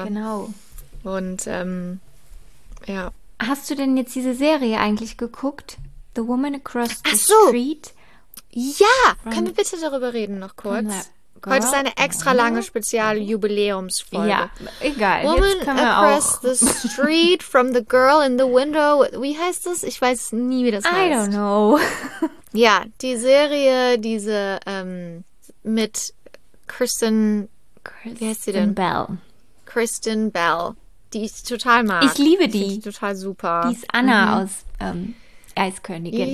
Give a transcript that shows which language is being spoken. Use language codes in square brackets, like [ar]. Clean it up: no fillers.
[de] Ja, genau. Und, Hast du denn jetzt diese Serie eigentlich geguckt? [en] The Woman Across the Street? [de] Ja! Können wir bitte darüber reden noch kurz? Heute ist eine extra lange Spezial-Jubiläumsfolge. Ja, egal. [en] Woman [de] jetzt können [en] Across [de] wir auch. [en] The Street from the Girl in the Window. [de] Wie heißt das? Ich weiß nie, wie das heißt. [en] I don't know. [de] Ja, die Serie, diese mit Kristen... Wie heißt sie denn? Kristen Bell. Kristen Bell. Die ich total mag. Ich liebe die. Die total super. Die ist Anna aus Eiskönigin.